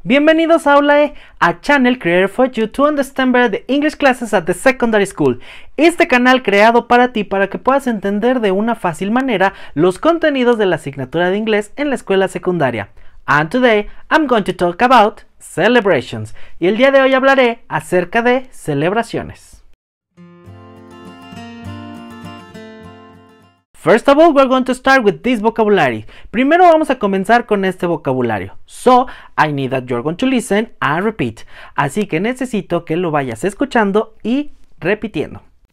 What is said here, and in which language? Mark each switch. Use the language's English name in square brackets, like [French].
[Spanish] Bienvenidos a [English] AulaE, a channel created for you to understand better the English classes at the secondary school. [Spanish] Este canal creado para ti para que puedas entender de una fácil manera los contenidos de la asignatura de inglés en la escuela secundaria. [English] And today I'm going to talk about celebrations. [Spanish] Y el día de hoy hablaré acerca de celebraciones. [English] First of all, we're going to start with this vocabulary. [Spanish] Primero vamos a comenzar con este vocabulario. [English] So, I need that you're going to listen and repeat. [Spanish] Así que necesito que lo vayas escuchando y repitiendo.